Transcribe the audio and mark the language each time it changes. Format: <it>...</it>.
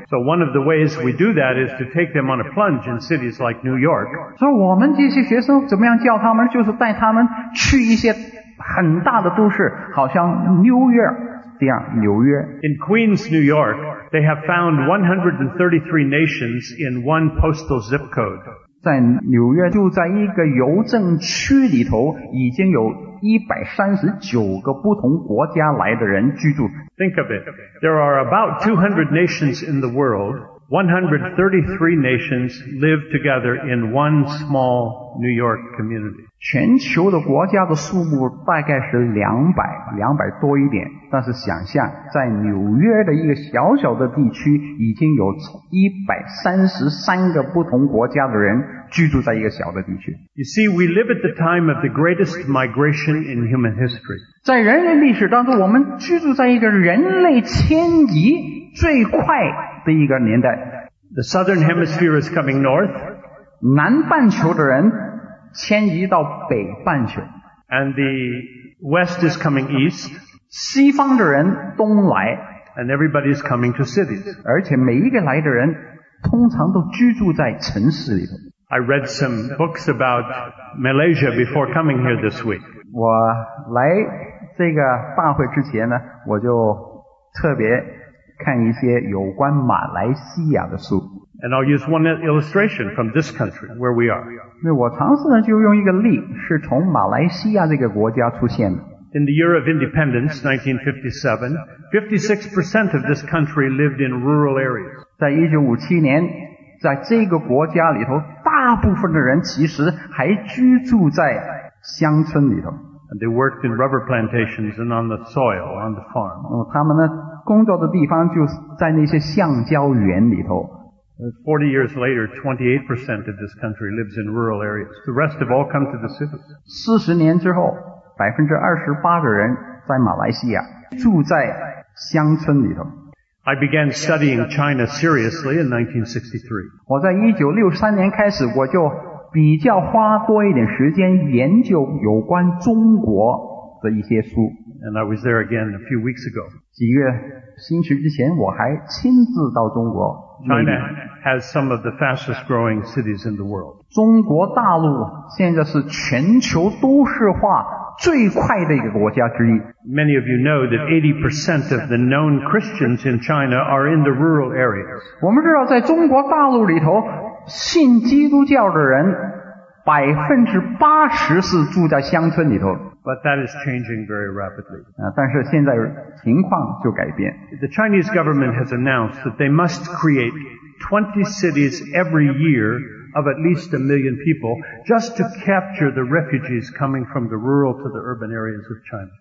<en>So one of the ways we do that is to take them on a plunge in cities like New York.</en> <zh>所以我们这些学生怎么样教他们？就是带他们去一些很大的都市，好像 New York。纽约。</zh> <en>In Queens, New York, they have found 133 nations in one postal zip code.</en> <zh>在纽约就在一个邮政区里头已经有139个不同国家来的人居住。</zh> <en>Think of it. There are about 200 nations in the world. 133 nations live together in one small New York community.</en> <zh>全球的国家的数目大概是200多一点，但是想象在纽约的一个小小的地区已经有133个不同国家的人居住在一个小的地区。</zh> <en>You see, we live at the time of the greatest migration in human history.</en> <zh>在人类历史当中，我们居住在一个人类迁移最快的一个年代。</zh> <en>The southern hemisphere is coming north.</en> <zh>南半球的人迁移到北半球。</zh> <en>And the west is coming east.</en> <zh>西方的人东来。</zh> <en>And everybody is coming to cities.</en> <zh>而且每一个来的人通常都居住在城市里头。</zh> <en>I read some books about Malaysia before coming here this week.</en> <zh>我来这个大会之前呢，我就特别看一些有关马来西亚的书。</zh> <en>And I'll use one illustration from this country where we are.</en> <zh>那我尝试呢就用一个例，是从马来西亚这个国家出现的。</zh> <en>In the year of independence, 1957, 56% of this country lived in rural areas.</en> <zh>在1957年，在这个国家里头，大部分的人其实还居住在乡村里头。</zh> <en>And they worked in rubber plantations and on the soil, on the farm.</en> <zh>他们呢工作的地方就在那些橡胶园里头。</zh> <en>40 years later, 28% of this country lives in rural areas. The rest have all come to the cities.</en> <zh>40年之后 ,28% 的人在马来西亚住在乡村里头。</zh> <en>I began studying China seriously in 1963.</en> <zh>我在1963年开始我就比较花多一点时间研究有关中国的一些书。</zh> <en>And I was there again a few weeks ago.</en> <zh>几月星期之前我还亲自到中国。</zh> <en>China has some of the fastest growing cities in the world.</en> <zh>中国大陆现在是全球都市化最快的一个国家之一。</zh> <en>Many of you know that 80% of the known Christians in China are in the rural areas.</en> <zh>我们知道在中国大陆里头信基督教的人 80% 是住在乡村里头。</zh> <en>But that is changing very rapidly.</en> <zh>但是现在情况就改变。</zh> <en>The Chinese government has announced that they must create 20 cities every year of at least 1 million people just to capture the refugees coming from the rural to the urban areas of China.</en>